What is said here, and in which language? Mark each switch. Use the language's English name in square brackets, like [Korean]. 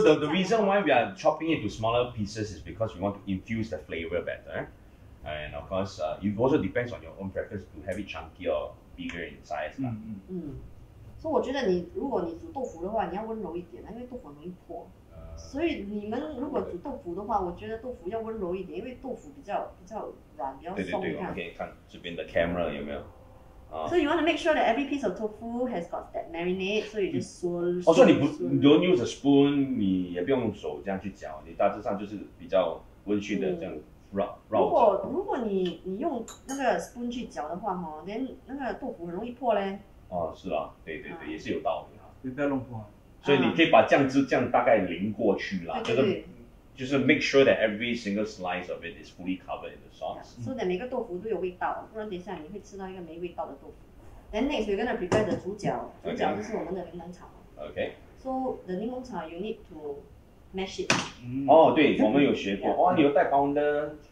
[English] the reason why we are chopping it to smaller pieces is because we want to infuse the flavor better. And of course, it also depends on your own preference to have it chunky or bigger in size. [Chinese] So 我觉得你如果你煮豆腐的话，你要温柔一点，因为豆腐容易破。所以你们如果煮豆腐的话，我觉得豆腐要温柔一点，因为豆腐比较软，比较松。对对对，我们可以看这边的 camera 有没有？ [English] So you want to make sure that every piece of tofu has got that marinade, so you just swirl. [Chinese] 哦，所以你不 don't use a spoon，你也不用手这样去搅，你大致上就是比较温煦的这样。如果你用那个 spoon 去搅的话，连那个豆腐很容易破嘞。哦，是啊，对对对，也是有道理啊。不要弄破。所以你可以把酱汁这样大概淋过去啦，就是 [English] make sure that every single slice of it is fully covered in the sauce. [Chinese] Yeah, so that 每个豆腐都有味道，不然等一下你会吃到一个没味道的豆腐。 Then next we're gonna prepare the 主角就是我们的柠檬草。 [English] Okay. So the 柠檬草 you need to mash it. [Chinese] 哦，对，我们有学过。哇，你有带包呢。